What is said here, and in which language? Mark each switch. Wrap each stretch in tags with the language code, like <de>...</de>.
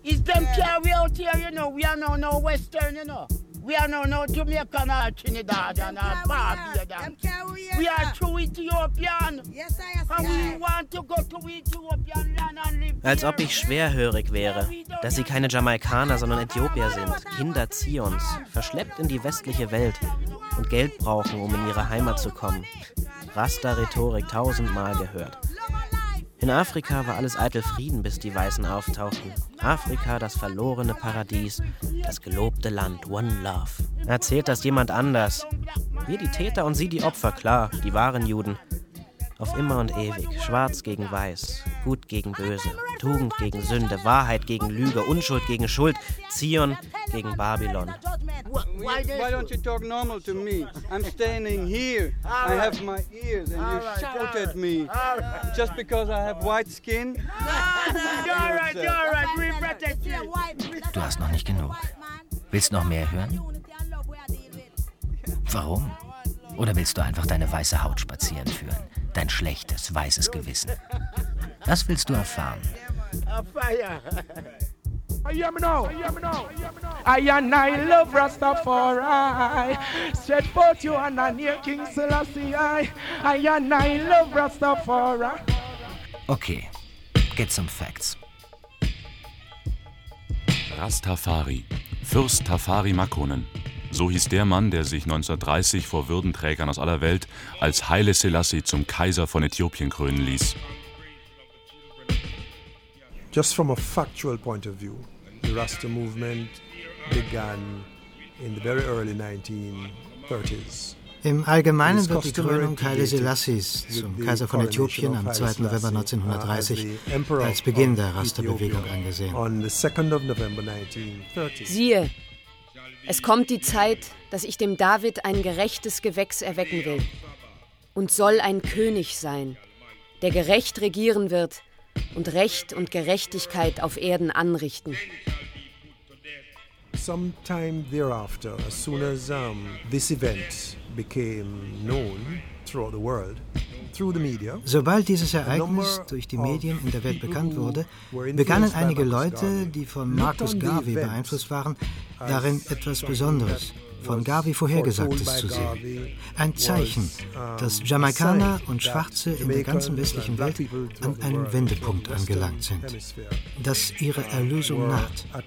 <en>It's them care we out here, you know. We are no Western, you know. We are no Jamaican or Trinidad and our Barbadian. We are true Ethiopian. Yes, I am. And we want to go to Ethiopian land and live.</en> <de>Als ob ich schwerhörig wäre, dass sie keine Jamaikaner, sondern Äthiopier sind, Kinder Zions, verschleppt in die westliche Welt und Geld brauchen, um in ihre Heimat zu kommen. Rasta-Rhetorik tausendmal gehört. In Afrika war alles eitel Frieden, bis die Weißen auftauchten. Afrika, das verlorene Paradies, das gelobte Land, One Love. Erzählt das jemand anders? Wir die Täter und sie die Opfer, klar, die wahren Juden. Auf immer und ewig, schwarz gegen weiß, gut gegen böse, Tugend gegen Sünde, Wahrheit gegen Lüge, Unschuld gegen Schuld, Zion gegen Babylon.</de> <en>Why don't you talk normal to me? I'm standing here. I have my ears and you shout at me. Just because I have white skin? You're right. We protect you.</en> <de>Du hast noch nicht genug. Willst noch mehr hören? Warum? Oder willst du einfach deine weiße Haut spazieren führen? Dein schlechtes, weißes Gewissen. Was willst du erfahren?</de> <en>I am now. I love Rastafari. Set forth you and I near King Selassie. I love Rastafari. Okay, get some facts.</en> <de>Rastafari, Fürst Tafari Makonnen. So hieß der Mann, der sich 1930 vor Würdenträgern aus aller Welt als Haile Selassie zum Kaiser von Äthiopien krönen ließ.</de> <en>Just from a factual point of view, the Rasta movement began in the very early 1930s.</en> <de>Im Allgemeinen wird die Krönung Haile Selassies zum Kaiser von Äthiopien am 2. November 1930 als Beginn der Rasta-Bewegung angesehen.</de> <en>On the 2nd of November 1930.</en> <de>Siehe! Es kommt die Zeit, dass ich dem David ein gerechtes Gewächs erwecken will und soll ein König sein, der gerecht regieren wird und Recht und Gerechtigkeit auf Erden anrichten.</de> <en>Sometime thereafter, as soon as this event became known throughout the world,</en> <de>sobald dieses Ereignis durch die Medien in der Welt bekannt wurde, begannen einige Leute, die von Marcus Garvey beeinflusst waren, darin etwas Besonderes, von Garvey Vorhergesagtes zu sehen. Ein Zeichen, dass Jamaikaner und Schwarze in der ganzen westlichen Welt an einem Wendepunkt angelangt sind, dass ihre Erlösung naht.</de>